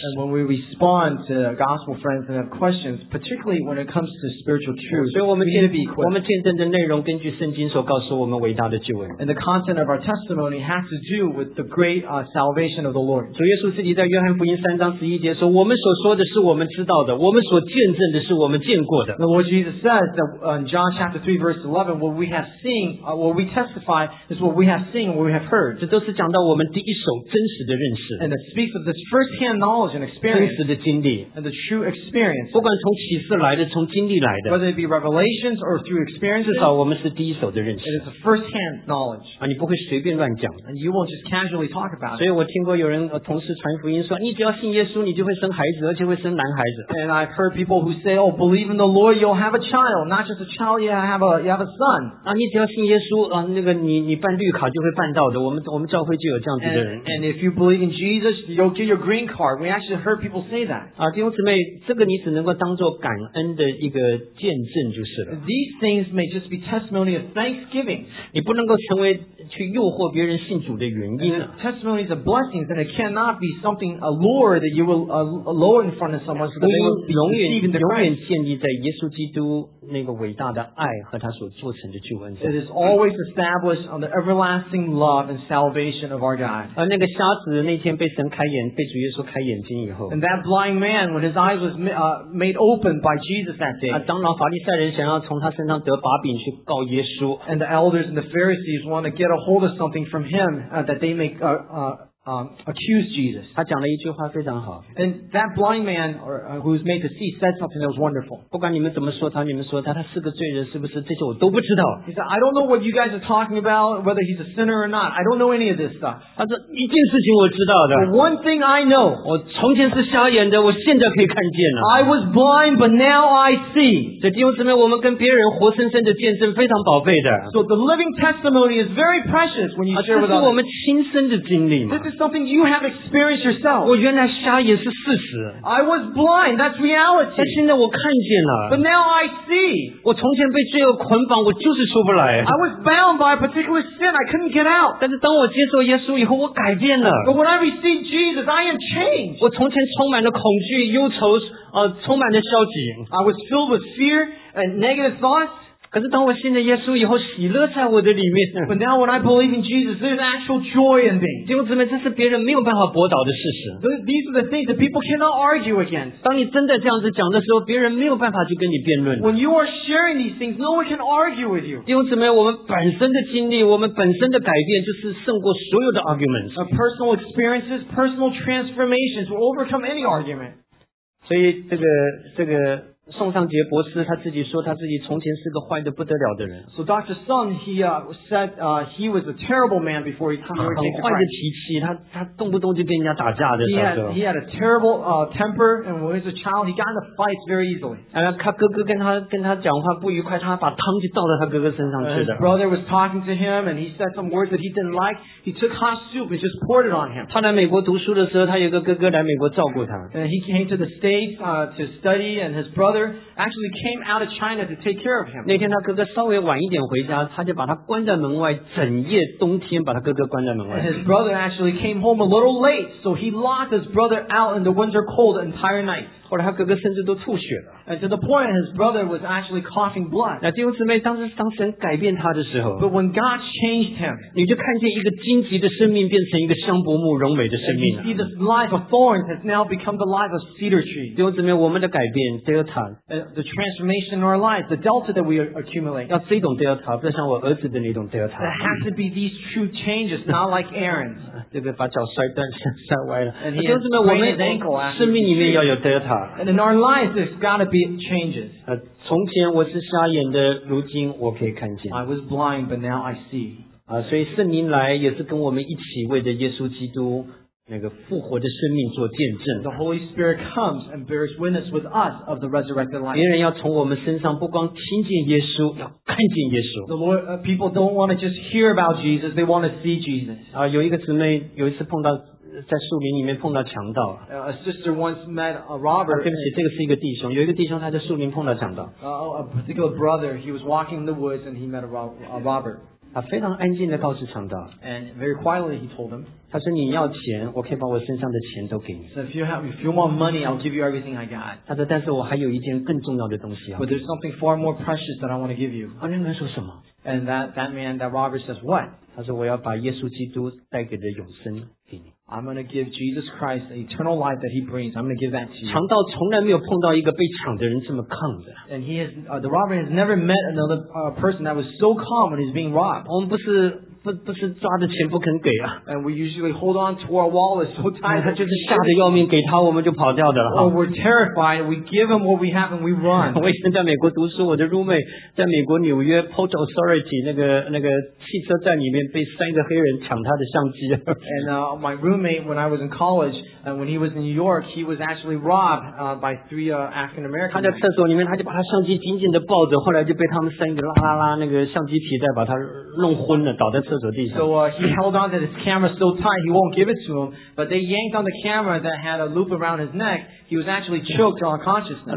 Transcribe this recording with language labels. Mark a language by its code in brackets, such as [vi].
[en] And when we respond to gospel friends and have questions, particularly when it comes to spiritual truth, [zh] 所以我们先比。我们见证的内容根据圣经所告诉我们伟大的救恩。 [en] And the content of our testimony has to do with the great salvation of the Lord. [zh] 主耶稣自己在约翰福音3章11节说：“我们所说的是我们知道的，我们所见证的是我们见过的。 [en] The Lord Jesus says that in John chapter 3 verse 11, what we have seen, what we testify is what we have seen, what we have heard. [zh] 这都是讲到我们第一手真实的认识。 [en] And it speaks of this first-hand knowledge and experience. [zh] 真实的经历。 [en] And the true experience. [zh] 不管从启示来的，从经历来的。 [en] Whether it be revelations or through experience. [zh] 至少我们是第一手的认识。 [en] It is a first-hand knowledge. [zh] 啊，你不会随便乱讲。 [en] And you won't just casually talk about it. [zh] 所以我听过有人同事传福音说，你只要信耶稣，你就会生孩子，而且会生男孩子。 [en] And I've heard people who say, oh, believe in the Lord, you'll have a child. Not just a child, you have a son. [zh] 啊，你只要信耶稣，啊，那个你办绿卡就会办到的。我们教会就有这样子的人。 [en] And if you believe in Jesus, you'll get your green card. We actually heard people say that. [zh] 啊，弟兄姊妹，这个你只能够当做感恩的一个见证就是了。 [en] These things may just be testimony of thanksgiving. [zh] 你不能够成为去诱惑别人信主的原因。 [en] Testimony is a blessing, and it cannot be something a lure that you will lure in front of someone. So they will believe in the Christ. [zh] 永远建立在耶稣基督那个伟大的爱和他所做成的救恩。 [en] It is always established on the everlasting love and salvation of our God. [zh] 而那个瞎子那天被神开眼，被主耶稣开眼睛以后。 [en] And that blind man, when his eyes was made open by Jesus that day. [zh] 啊，长老法利赛人想要从他身上得把柄去告耶稣。 [en] And the elders and the Pharisees want to get a hold of something from him that they make accuse Jesus. [zh] 他讲了一句话非常好。 [en] And that blind man who was made to see said something that was wonderful. [zh] 不管你们怎么说他，你们说他，他是个罪人是不是？这些我都不知道。 [en] He said, I don't know what you guys are talking about, whether he's a sinner or not. I don't know any of this stuff. [zh] 他说一件事情我知道的。 [en] One thing I know. [zh] 我从前是瞎眼的，我现在可以看见了。 [en] I was blind, but now I see. [zh] 这弟兄姊妹，我们跟别人活生生的见证非常宝贝的。 [en] So the living testimony is very precious when you share with others. [zh] 这是我们亲身的经历嘛。 [en] Something you have experienced yourself. [zh] 我原来瞎也是事实。 [en] I was blind. That's reality. [zh] 但现在我看见了。 [en] But now I see. [zh] 我从前被罪恶捆绑，我就是出不来。 [en] I was bound by a particular sin. I couldn't get out. [zh] 但是当我接受耶稣以后，我改变了。 [en] But when I received Jesus, I am changed. [zh] 我从前充满了恐惧、忧愁，充满了消极。 [en] I was filled with fear and negative thoughts. [zh] 可是当我信了耶稣以后，喜乐在我的里面。 [en] But now when I believe in Jesus, there's actual joy in me. [zh] 弟兄姊妹，这是别人没有办法驳倒的事实。 [en] These are the things that people cannot argue against. [zh] 当你真的这样子讲的时候，别人没有办法去跟你辩论。 [en] When you are sharing these things, no one can argue with you. [zh] 弟兄姊妹，我们本身的经历，我们本身的改变，就是胜过所有的 arguments. [en] Our personal experiences, personal transformations will overcome any argument. [zh] 所以这个。宋尚杰博士他自己说他自己从前是个坏得不得了的人。 [en] So Dr. Sun, he was a terrible man before he came to Christ. [zh] 很坏的脾气，他动不动就跟人家打架的。 [en] He had a terrible temper, and when he was a child, he got into fights very easily. [zh] 他哥哥跟他讲话不愉快，他把汤就倒到他哥哥身上去的。 [en] His brother was talking to him, and he said some words that he didn't like. He took hot soup and just poured it on him. [zh] 他来美国读书的时候，他有个哥哥来美国照顾他。 [en] And he came to the States to study, and his brother actually came out of China to take care of him. [zh] 那天他哥哥稍微晚一点回家，他就把他关在门外，整夜冬天把他哥哥关在门外。 [en] And his brother actually came home a little late, so he locked his brother out in the winter cold the entire night. [zh] 后来他哥哥甚至都吐血了。 [en] And to the point, his brother was actually coughing blood. [zh] 那弟兄姊妹，当神改变他的时候 [en] ，But when God changed him, [zh] 你就看见一个荆棘的生命变成一个香柏木荣美的生命。 [en] And you see this life of thorns has now become the life of cedar tree. [zh] 弟兄姊妹，我们的改变 delta。 [en] The transformation in our life, the delta that we accumulate. [zh] 要这种 delta， 不像我儿子的那种 delta。 [en] It has to be these true changes, not like Aaron's. [zh] 这个把脚摔断，摔歪了。 [en] And he has sprained his ankle. [zh] 生命里面要有 delta。 [en] And in our lives, there's got to be changes. [zh] 从前我是瞎眼的，如今我可以看见。 [en] I was blind, but now I see. [zh] 所以圣灵来也是跟我们一起为着耶稣基督。那个复活的生命做见证。 [en] The Holy Spirit comes and bears witness with us of the resurrected life. [zh] 别人要从我们身上不光听见耶稣，要看见耶稣。 [en] The Lord, people don't want to just hear about Jesus, they want to see Jesus. [zh] 有一个姊妹有一次碰到在树林里面碰到强盗。 [en] A sister once met a robber. [zh] 对不起，这个是一个弟兄，有一个弟兄他在树林碰到强盗。 [en] A particular brother, he was walking in the woods and he met a robber. [zh] 他非常安静地告诉强盗。 [en] And very quietly he told him. [zh] 他说你要钱，我可以把我身上的钱都给你。 [en] So if you want money, I'll give you everything I got. [zh] 他说，但是我还有一件更重要的东西啊。 [en] But there's something far more precious that I want to give you. [zh] 那人说什么？ [en] And that man, that robber says what? [zh] 他说我要把耶稣基督带给的永生给你。 [en] I'm going to give Jesus Christ the eternal life that he brings. I'm going to give that to you. [zh] 强盗从来没有碰到一个被抢的人这么抗的。 [en] And he has, the robber has never met another person that was so calm when he's being robbed. [zh] 我们不是不是抓着钱不肯给啊。 [en] And we usually hold on to our wallet so tight. [zh] 他就是吓得要命，给他我们就跑掉的了。 [en] Or we're terrified. We give him what we have and we run. [zh] 我以前在美国读书，我的 roommate 在美国纽约 Port Authority 那个汽车站里面被三个黑人抢他的相机。 [en] And my roommate when I was in college, when he was in New York, he was actually robbed by three African Americans. [zh] 他在厕所里面，他就把他相机紧紧的抱着，后来就被他们三个拉拉拉那个相机皮带把他弄昏了，倒在厕所地上。 [en] So he held on to his camera so tight he won't give it to him, but they yanked on the camera that had a loop around his neck. He was actually choked on consciousness.